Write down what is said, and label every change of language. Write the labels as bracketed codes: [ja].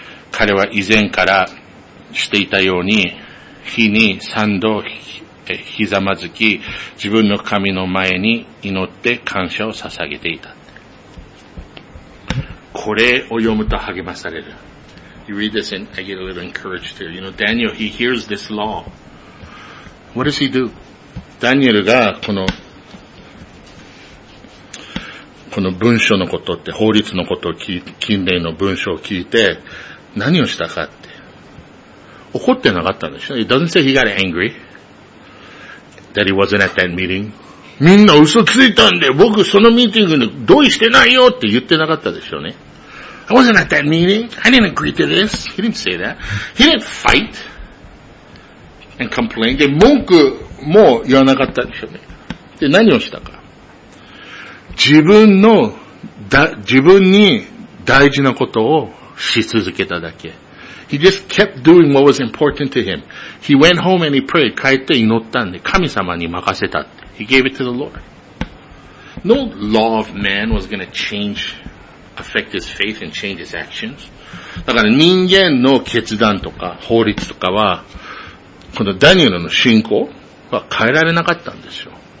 [ja] 彼は以前からしていたように、日に三度ひざまずき、自分の神の前に祈って感謝を捧げていた。これを読むと励まされる。 [en] You read this and I get a little encouraged here. You know, Daniel, he hears this law. What does he do? [ja] Daniel がこの文書のことって、法律のことを聞いて、禁令の文書を聞いて、何をしたかって。怒ってなかったんでしょ? [en] It doesn't say he got angry. That he wasn't at that meeting. [ja] みんな嘘ついたんで、僕そのミーティングに同意してないよって言ってなかったでしょうね。 [en] I wasn't at that meeting. I didn't agree to this. He didn't say that. He didn't fight and complain. [ja] で、文句も言わなかったでしょうね。で、何をしたか。自分に大事なことをし続けただけ。 [en] He just kept doing what was important to him. He went home and he prayed. [ja] 帰って祈ったんで、神様に任せた。 [en] He gave it to the Lord. No law of man was going to changeaffect his faith and change his actions. [ja] だから人間の決断とか法律とかはこのダニエルの信仰は変えられなかったんですよ。